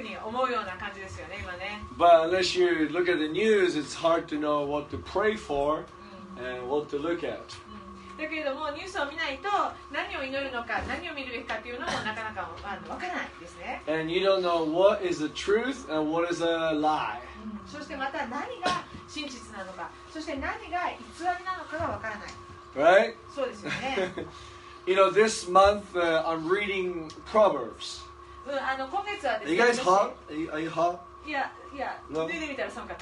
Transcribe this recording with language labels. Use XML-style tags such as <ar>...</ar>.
<en>But unless you look at the news, it's hard to know what to pray for and what to look at.</en> <ja>だけれどもニュースを見ないと何を祈るのか何を見るべきかというのもなかなか分からないですね。</ja> <en>And you don't know what is the truth and what is a lie.</en> <ja>そしてまた何が真実なのかそして何が偽りなのかが分からない。</ja> <en>Right?</en> <ja>そうですよね。</ja> <en>You know, this month, I'm reading Proverbs.</en> <ja>今月はですね。</ja> <en>Are you guys hot? Are you hot?</en> <ja>いや、脱いでみたら寒かった。</ja>